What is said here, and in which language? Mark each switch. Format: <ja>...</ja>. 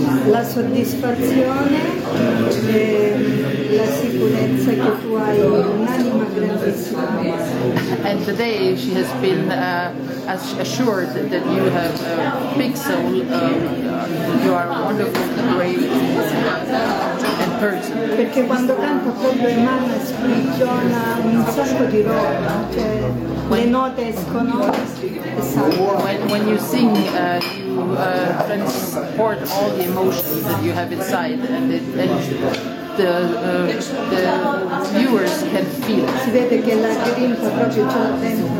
<it>La soddisfazione e la sicurezza che tu hai un'anima grandissima.</it> <en>And today she has been assured that you have a big soul, you are a wonderful, great and person.</en> <it>Perché quando canta proprio in mano sprigiona un sacco di roba, cioè le note escono.</it> <en>When you sing, transport all the emotions that you have inside, and the viewers can feel.</en> <it>Si vede che la grinta proprio c'è dentro,</it>